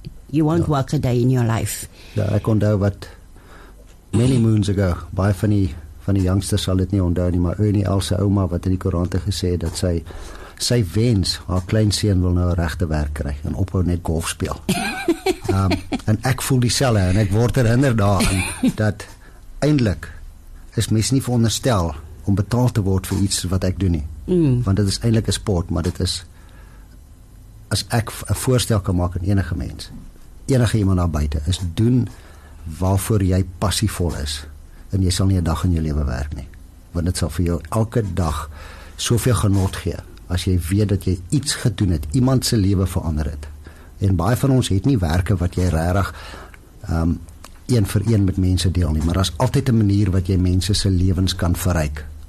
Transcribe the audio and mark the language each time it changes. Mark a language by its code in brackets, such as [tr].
[en] You won't work a day in your life. [af] Ja, ek onthou wat [en] many moons ago, [af] baie van die youngsters sal dit nie onthou nie, maar Ernie Elsa ouma wat in die koerante gesê het dat sy wens, haar kleinseun wil nou 'n regte werk kry en ophou net golf speel. En ek voel dieselfde en ek word herinner daaraan dat eindelijk is mens nie veronderstel om betaal te word vir iets wat ek doen nie. Want dit is eindelijk een sport, maar dit is, as ek een voorstel kan maak aan enige mens, enige iemand daar buiten, is doen waarvoor jy passievol is en jy sal nie een dag in jou leven werk nie. Want dit sal vir jou elke dag soveel genot gee as jy weet dat jy iets gedoen het, iemand se lewe verander het. En baie van ons het nie werke wat jy regtig een vir een met mense deel nie, maar daar is altyd 'n manier wat jy mense se lewens kan verryk.